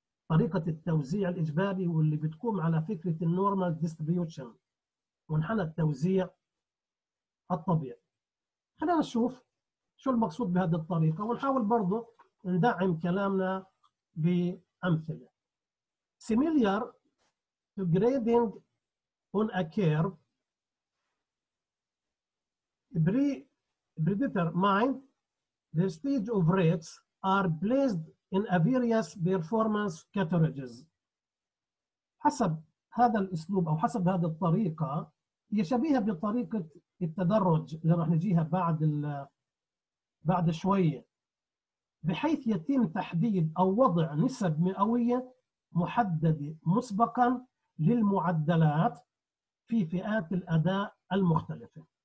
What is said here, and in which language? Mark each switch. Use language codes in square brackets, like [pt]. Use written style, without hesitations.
[ar] طريقة التوزيع الإجباري واللي بتقوم على فكرة النورمال ديستريبيوشن، منحنى التوزيع الطبيعي. خلينا نشوف شو المقصود بهذه الطريقة ونحاول برضو ندعم كلامنا بأمثلة. [en] Similar to grading on a curve, predetermined the stage of rates are placed in a various performance categories. [ar] حسب هذا الأسلوب أو حسب هذه الطريقة، هي شبيهة بطريقة التدرج اللي راح نجيها بعد شوية، بحيث يتم تحديد أو وضع نسب مئوية محددة مسبقا للمعدلات في فئات الأداء المختلفة.